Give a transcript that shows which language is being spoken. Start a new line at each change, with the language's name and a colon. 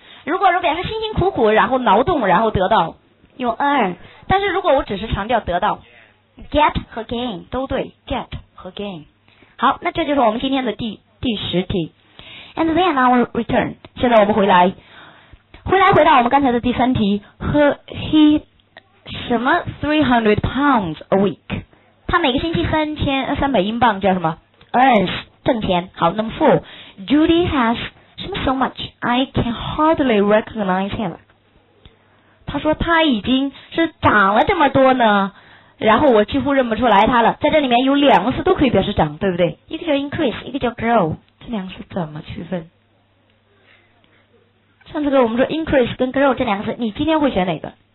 Chinese: 如果说表示辛辛苦苦，然后劳动，然后得到，用 earn。但是如果我只是强调得到 ，get 和 gain 都对 ，get 和 gain。好，那这就是我们今天的第十题。
English: And then I will return.
Chinese: 现在我们回到我们刚才的第三题。
English: He 什么 300 pounds a week?
Chinese: 他每个星期300英镑叫什么 ？Earns 挣钱。好，那么 full.
English: Judy has 什么 so much? I can hardly recognize him.
Chinese: 他说他已经是长了这么多呢，然后我几乎认不出来他了。在这里面有两个词都可以表示长，对不对？一个叫 increase， 一个叫 grow。这两个词怎么区分？上次跟我们说 increase 跟 grow 这两个词，你今天会选哪个？